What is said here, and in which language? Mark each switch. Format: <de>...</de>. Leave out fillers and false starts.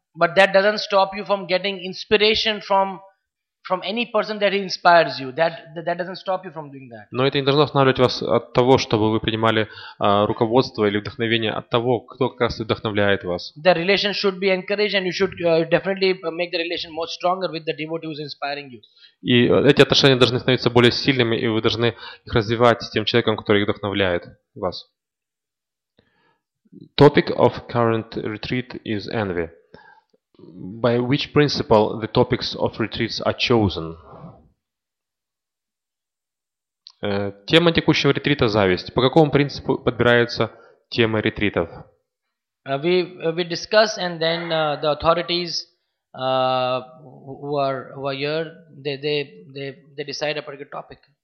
<en>But that doesn't stop you from getting inspiration from any person that inspires you. That doesn't stop you from doing that.</en> <ru>Но это не должно останавливать вас от того, чтобы вы принимали руководство или вдохновение от того, кто как раз вдохновляет вас.</ru> <en>The relation should be encouraged, and you should definitely make the relation more stronger with the devotee who is inspiring you.</en> <ru>И эти отношения должны становиться более сильными, и вы должны их развивать с тем человеком, который их вдохновляет вас.</ru> <en>Topic of current retreat is envy. By which principle the topics of retreats are chosen?</en> <ru>Тема текущего ретрита — зависть. По какому принципу подбираются темы ретритов?</ru> <en>We discuss, and then the authorities who are here, they decide a particular topic.</en>